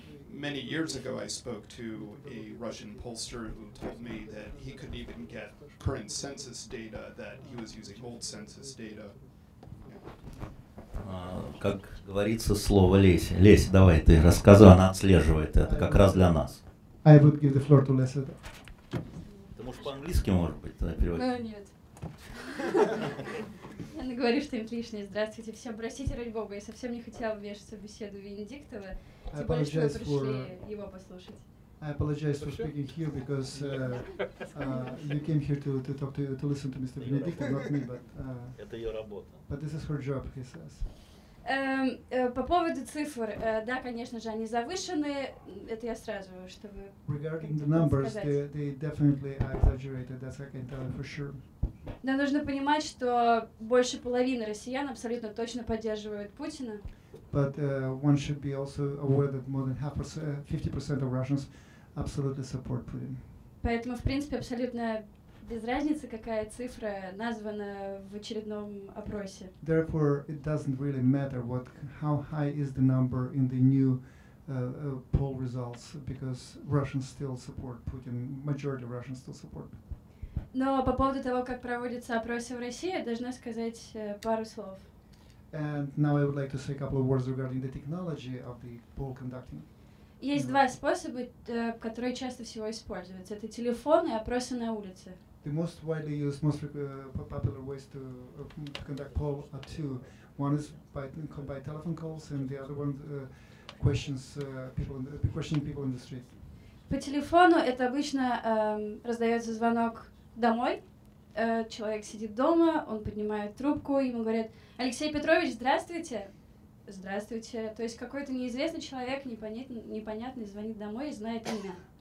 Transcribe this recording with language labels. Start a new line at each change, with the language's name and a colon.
English: Many years ago, I spoke to a Russian pollster who told me that he couldn't even get current census data, that he was using old census data.
Russian: Как говорится, слово Лесь. Лесь, давай, ты рассказывай, она отслеживает это, как раз для нас.
English: I would give the floor to Lesa.
Russian: Ты можешь по-английски, может быть, тогда переводить? Нет. Я наговорю что-нибудь лишнее. Здравствуйте всем. Простите, ради бога, я совсем не хотела вмешиваться в беседу Венедиктова, тем более, что мы пришли его послушать.
English: I apologize for speaking here because you came here to talk to listen to Mr. Benedict, not me, but but this is her job, he says.
Russian: По поводу цифр, да, конечно же, они завышены. Это я сразу, чтобы.
English: Regarding the numbers, they definitely are exaggerated. That's what I can tell you for sure.
Russian: Но нужно понимать, что больше половины россиян абсолютно точно поддерживают Путина.
English: But one should be also aware that more than 50% of Russians absolutely support Putin.
Russian: Поэтому, в принципе, абсолютно без разницы, какая цифра названа в очередном опросе.
English: Therefore, it doesn't really matter what how high is the number in the new poll results, because Russians still support Putin. Majority of Russians still support Putin.
Russian: Но по поводу того, как проводятся опросы в России, я должна сказать пару слов.
English: And now I would like to say a couple of words regarding the technology of the poll conducting.
Russian: Есть два способа, которые чаще всего используются. Это телефон и опросы на улице.
English: The most widely used, most popular ways to conduct poll are two. One is by telephone calls, and the other one questioning people in the street.
Russian: По телефону это обычно раздается звонок домой. Человек сидит дома, он поднимает трубку, ему говорят: Алексей Петрович, здравствуйте. Здравствуйте. То есть какой-то неизвестный человек, непонятный, звонит домой и знает имя.